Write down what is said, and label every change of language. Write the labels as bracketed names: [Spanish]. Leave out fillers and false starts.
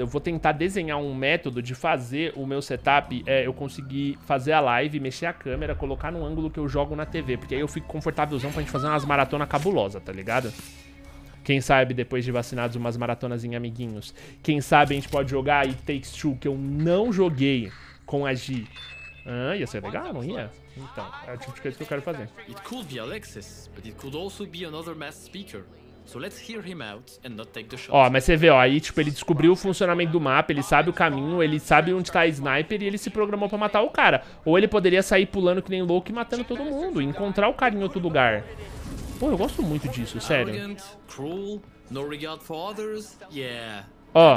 [Portuguese] Eu vou tentar desenhar um método de fazer o meu setup, eu conseguir fazer a live, mexer a câmera, colocar no ângulo que eu jogo na TV, porque aí eu fico confortávelzão pra gente fazer umas maratonas cabulosas, tá ligado? Quem sabe depois de vacinados umas maratonas em amiguinhos. Quem sabe a gente pode jogar It Takes Two, que eu não joguei com a G. Ah, ia ser legal, não ia? Então, é o tipo de coisa que eu quero fazer. [English] It could be Alexis, but it could also be another mass speaker. So let's hear him out and not take the shot. [Portuguese] Ó, mas você vê, ó, aí, tipo, ele descobriu o funcionamento do mapa, ele sabe o caminho, ele sabe onde tá a sniper e ele se programou pra matar o cara. Ou ele poderia sair pulando que nem louco e matando todo mundo, encontrar o cara em outro lugar. Pô, eu gosto muito disso, sério. [English] Arrogant, cruel, no regard for others, yeah. [Portuguese] Ó.